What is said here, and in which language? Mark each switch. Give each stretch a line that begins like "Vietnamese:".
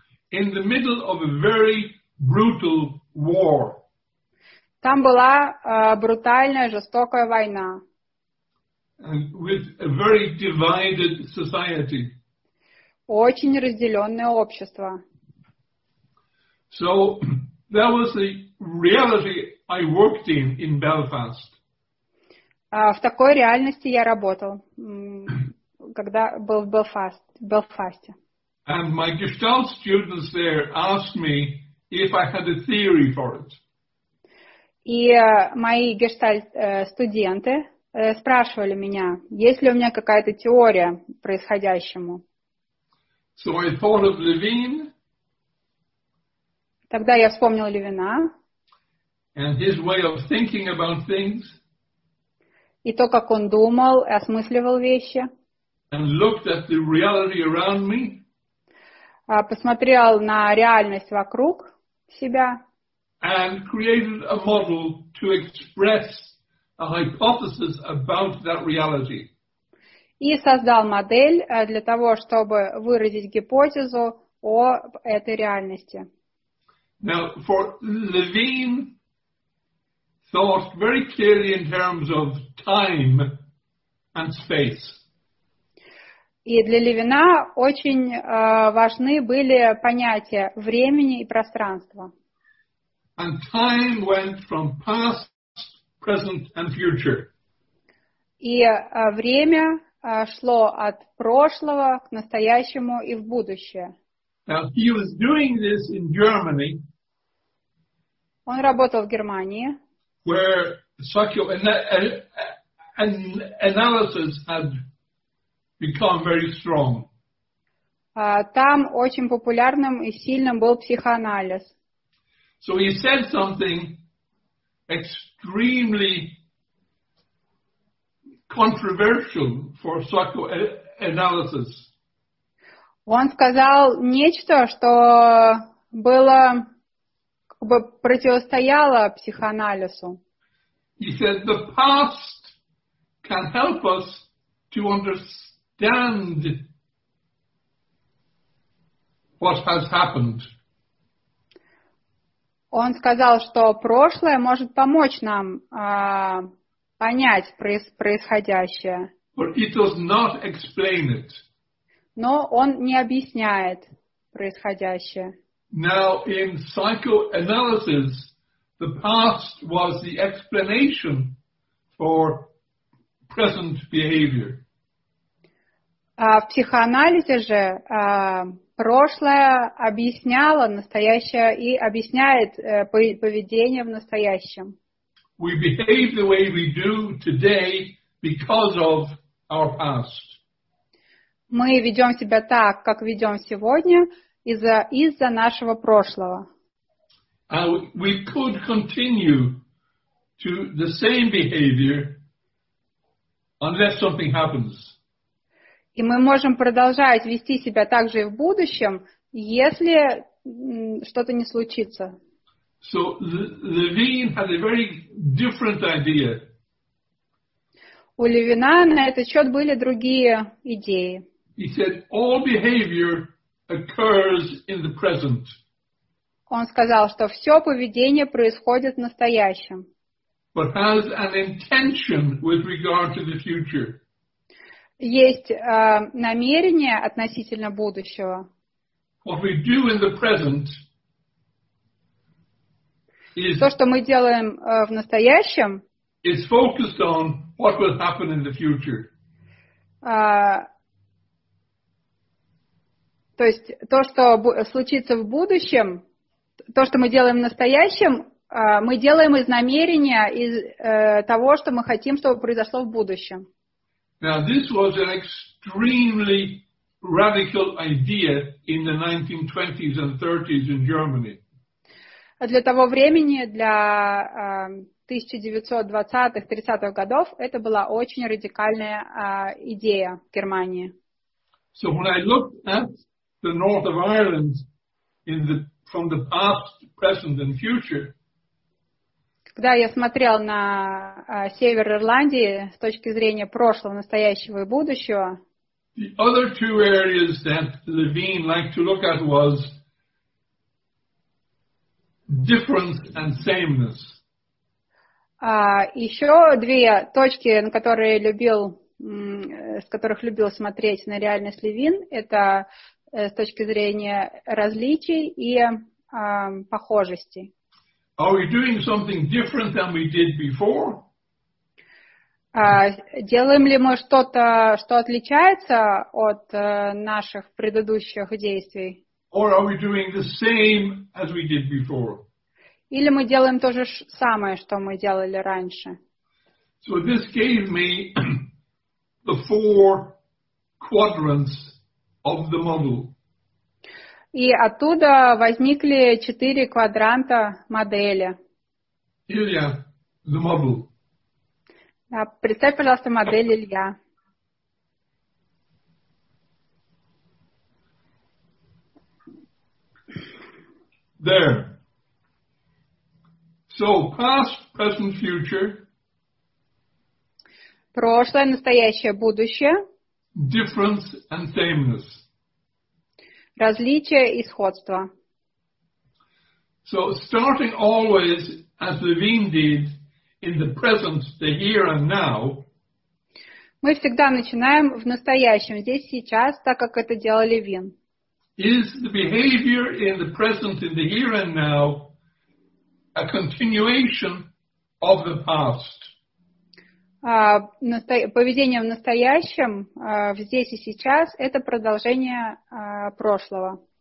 English: In the middle of a very brutal war.
Russian: Там была брутальная, жестокая война.
English: And with a very divided society.
Russian: Очень разделенное общество.
English: So that was the reality I worked in Belfast.
Russian: В такой реальности я работал, когда был в Белфасте.
English: And my Gestalt students there asked me if I had a theory for it.
Russian: И мои Gestalt студенты спрашивали меня, есть ли у меня какая-то теория происходящему.
English: So I thought of Levine.
Russian: Тогда я вспомнил Левина.
English: And his way of thinking about things.
Russian: И то, как он думал, осмысливал вещи.
English: And looked at the reality around me.
Russian: Посмотрел на реальность вокруг себя.
English: And created a model to express a hypothesis about that reality.
Russian: И создал модель для того, чтобы выразить гипотезу о этой реальности.
English: Now, for Levine thought very clearly in terms of time and space.
Russian: И для Левина очень важны были понятия времени и пространства.
English: And time went from past, present and future.
Russian: И время шло от прошлого к настоящему и в будущее.
English: Now, he was doing this in Germany.
Russian: Он работал в Германии.
English: Where psychoanalysis had become very strong.
Russian: Там очень популярным и сильным был психоанализ.
English: So he said something extremely controversial for psychoanalysis.
Russian: Он сказал нечто, что было как бы противостояло психоанализу.
English: He said the past can help us to understand what has happened.
Russian: Он сказал, что прошлое может помочь нам понять происходящее.
English: But it does not explain it.
Russian: Но он не объясняет происходящее.
English: Now, in psychoanalysis, the past was the explanation for present behavior.
Russian: В психоанализе же прошлое объясняло настоящее и объясняет поведение в настоящем.
English: We behave the way we do today because of our past.
Russian: Мы ведем себя так, как ведем сегодня, из-за нашего прошлого.
English: And we could continue to the same behavior unless something happens.
Russian: И мы можем продолжать вести себя так же и в будущем, если что-то не случится.
English: So Levine had a very different idea.
Russian: У Левина на этот счет были другие идеи.
English: He said all behavior occurs in the present.
Russian: Он сказал, что все поведение происходит в настоящем.
English: But has an intention with regard to the future.
Russian: Есть намерение относительно будущего.
English: What we do in the present is,
Russian: то, что мы делаем в настоящем,
English: is focused on what will happen in the future.
Russian: То есть то, что случится в будущем, то, что мы делаем в настоящем, мы делаем из намерения, из того, что мы хотим, чтобы произошло в будущем.
English: Now, this was an extremely radical idea in the 1920s and 30s in Germany.
Russian: Для того времени, для 1920-30-х годов, это была очень радикальная идея в Германии.
English: So when I look at the north of Ireland in the, from the past, present and future,
Russian: когда я смотрел на север Ирландии с точки зрения прошлого, настоящего и будущего,
English: the other two areas that Levine liked to look at was difference and sameness.
Russian: Еще две точки, на которые любил, с которых любил смотреть на реальность Левин, это с точки зрения различий и похожести.
English: Are we doing something different than we did before?
Russian: Делаем ли мы что-то, что отличается от наших предыдущих действий?
English: Or are we doing the same as we did before?
Russian: Или мы делаем то же самое, что мы делали раньше?
English: So this gave me the four quadrants of the model.
Russian: И оттуда возникли четыре квадранта модели.
English: Илья, the model.
Russian: Да, представь, пожалуйста, модель Илья.
English: There. So, past, present, future.
Russian: Прошлое, настоящее, будущее.
English: Difference and sameness.
Russian: Различия и сходства.
English: So, starting always, as Levine did, in the present, the here and now.
Russian: Мы всегда начинаем в настоящем, здесь, сейчас, так как это делал Левин.
English: Is the behavior in the present, in the here and now, a continuation of the past?
Russian: Поведение в настоящем, здесь и сейчас, это продолжение прошлого.